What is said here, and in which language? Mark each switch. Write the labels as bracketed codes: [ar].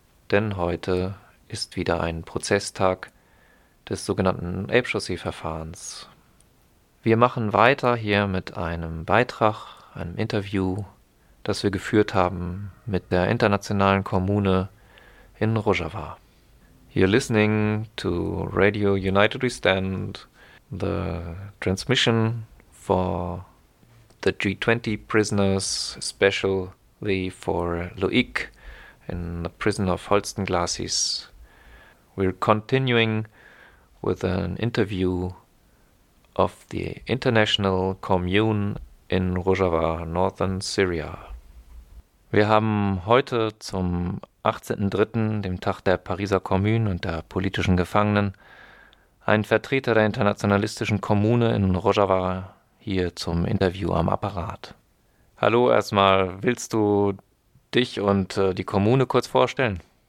[de] Denn heute ist wieder ein Prozesstag des sogenannten Elbchaussee-Verfahrens. Wir machen weiter hier mit einem Beitrag, einem Interview, das wir geführt haben mit der internationalen Kommune in Rojava. [en] You're listening to Radio United We Stand, the transmission for the G20 prisoners, especially for Loïc in the prison of Holstein-Glacis. We're continuing with an interview of the international commune in Rojava, northern Syria. [de] Wir haben heute zum 18.03., dem Tag der Pariser Kommune und der politischen Gefangenen, ein Vertreter der internationalistischen Kommune in Rojava hier zum Interview am Apparat. Hallo, erstmal, willst du dich und die Kommune kurz vorstellen?